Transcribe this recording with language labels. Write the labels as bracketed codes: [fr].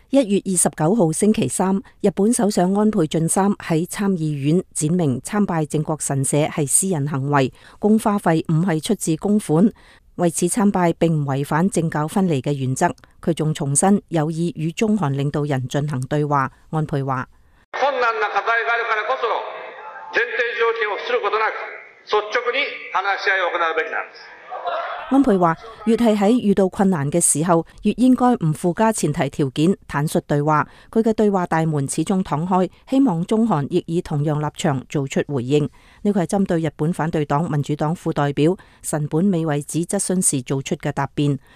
[zh] 1月29日星期三，日本首相安倍晋三在参议院展明参拜靖国神社是私人行为，供花费不是出自公款，为此参拜并不违反政教分离的原则。他还重申有意与中韩领导人进行对话。安倍说， [ja] 困难な課題があるからこそ前提条件を伏することなく率直に話し合いを行うべきなんです。 [zh] 安倍说，越是在遇到困难的时候，越应该不附加前提条件，坦率对话。他的对话大门始终躺开，希望中韩亦以同样立场做出回应。这是针对日本反对党民主党副代表神本美惠子质询时做出的答辩。